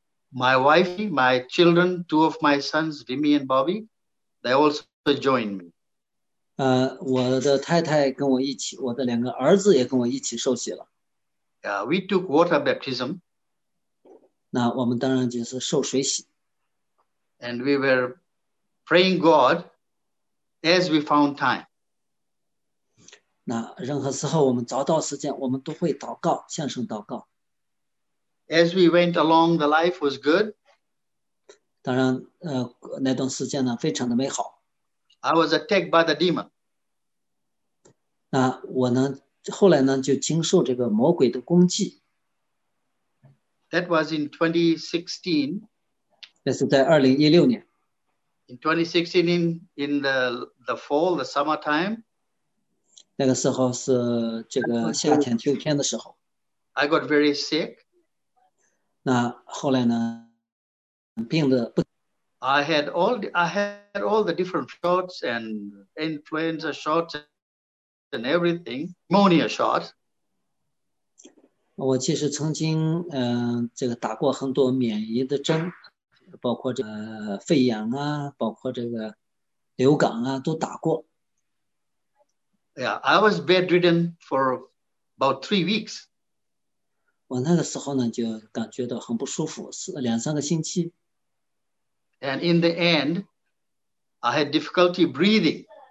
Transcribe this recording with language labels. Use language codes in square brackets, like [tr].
[en] My wife, my children, two of my sons, Vimy and Bobby, they also joined me. [zh] 我的太太跟我一起，我的两个儿子也跟我一起受洗了。 [en] We took water baptism. [zh] 那我们当然就是受水洗。 [en] And we were praying God as we found time. [zh] 那任何时候我们找到时间，我们都会祷告，向神祷告。 [en] As we went along, the life was good. [zh] 当然，那段时间呢，非常的美好。 [en] I was attacked by the demon. [zh] 那我呢？后来呢，就经受这个魔鬼的攻击。 [en] That was in 2016. [zh] 那是在2016年。 [en] In 2016, in the fall, the summertime. [zh] 那个时候是这个夏天、秋天的时候。 [en] I got very sick. [zh] 那后来呢，病得不。 [en] I had all the different shots and influenza shots. And everything, pneumonia shot. [zh] 我其实曾经这个打过很多免疫的针，包括这个肺炎啊，包括这个流感啊，都打过。 [en] Yeah, I was bedridden for about 3 weeks. [zh] 我那个时候呢，就感觉到很不舒服，2、3个星期。 [en] And in the end, I had difficulty breathing.